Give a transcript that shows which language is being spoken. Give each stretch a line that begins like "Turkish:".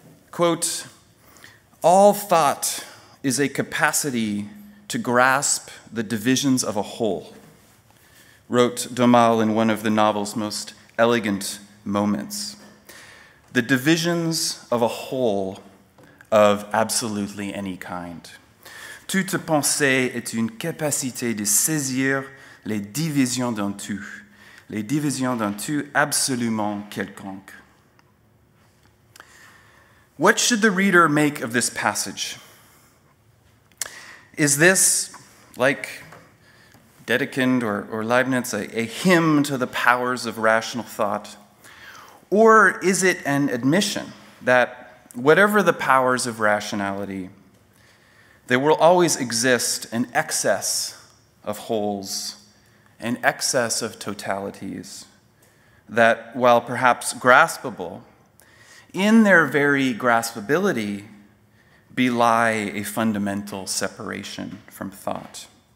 English: Quote, all thought is a capacity to grasp the divisions of a whole, wrote Dumas in one of the novel's most elegant moments. The divisions of a whole of absolutely any kind.
French: Toute pensée est une capacité de saisir les divisions d'un tout. Les divisions d'un tout absolument quelconque.
English: What should the reader make of this passage? Is this, like Dedekind or Leibniz, a hymn to the powers of rational thought? Or is it an admission that whatever the powers of rationality, there will always exist an excess of wholes, an excess of totalities that, while perhaps graspable, in their very graspability, belie a fundamental separation from thought.